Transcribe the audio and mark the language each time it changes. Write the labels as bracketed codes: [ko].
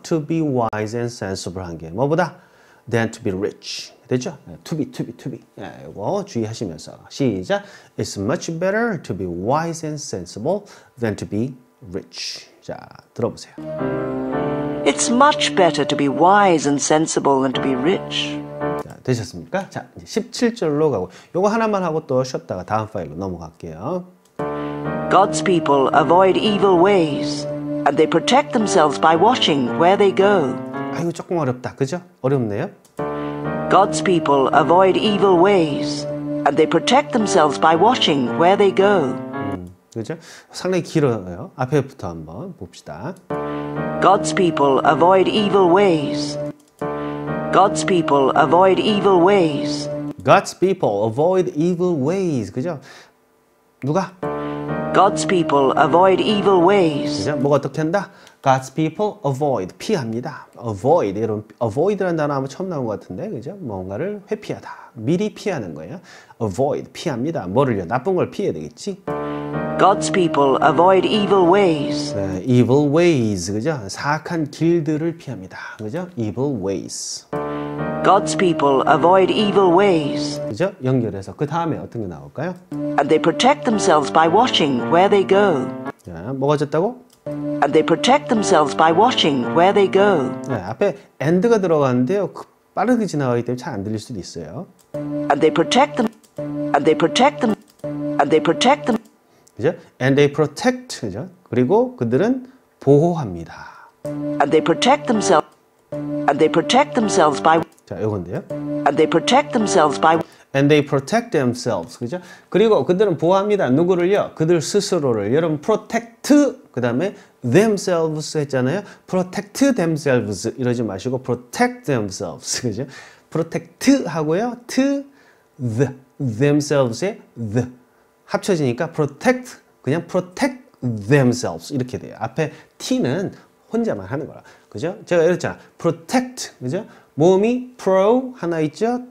[en] To be wise and sensible [ko] 한 게 뭐보다 [en] than to be rich. [ko] 됐죠? [en] To be. [ko] 예, 이거 주의하시면서 시작. [en] It's much better to be wise and sensible than to be rich. [ko] 자, 들어보세요. [en] It's much better to be wise and sensible than to be rich. [ko] 되셨습니까? 자, 이제 17절로 가고 요거 하나만 하고 또 쉬었다가 다음 파일로 넘어갈게요. [en] God's people avoid evil ways and they protect themselves by watching where they go. [ko] 아이고 조금 어렵다. 그죠? 어렵네요. [en] God's people avoid evil ways and they protect themselves by watching where they go. [ko] 그죠? 상당히 길어요. 앞에부터 한번 봅시다. [en] God's people avoid evil ways. God's people avoid evil ways. God's people avoid evil ways. [ko] 그죠? 누가? [en] God's people avoid evil ways. [ko] 그죠? 뭐가 어떻게 한다? [en] God's people avoid. [ko] 피합니다. Avoid. 이런 avoid라는 단어 아마 처음 나온 것 같은데. 그죠? 뭔가를 회피하다. 미리 피하는 거예요. Avoid. 피합니다. 뭐를요? 나쁜 걸 피해야 되겠지? [en] God's people avoid evil ways. Evil ways, [ko] 그죠? 사악한 길들을 피합니다. 그죠? [en] Evil ways. God's people avoid evil ways. [ko] 그죠? 연결해서 그 다음에 어떤 게 나올까요? [en] And they protect themselves by watching where they go. [ko] 자, 뭐가 졌다고? [en] And they protect themselves by watching where they go. [ko] 네, 앞에 and가 들어갔는데요. 빠르게 지나가기 때문에 잘 안 들릴 수도 있어요. [en] And they protect them. And they protect them. And they protect them. [ko] 그죠? [en] And they protect, [ko] 그죠? 그리고 그들은 보호합니다. [en] And they protect themselves. And they protect themselves by. [ko] 자, 요건데요. [en] And they protect themselves by. And they protect themselves, [ko] 그죠? 그리고 그들은 보호합니다. 누구를요? 그들 스스로를. 여러분 protect, 그 다음에 themselves 했잖아요. [en] Protect themselves [ko] 이러지 마시고 [en] protect themselves, [ko] 그죠? [en] Protect [ko] 하고요. [en] To the themselves의 the. [ko] 합쳐지니까 protect, 그냥 [en] protect themselves [ko] 이렇게 돼요. 앞에 t는 혼자만 하는 거라. 그죠? 제가 이랬잖아. protect, 그죠? 모음이 pro 하나 있죠?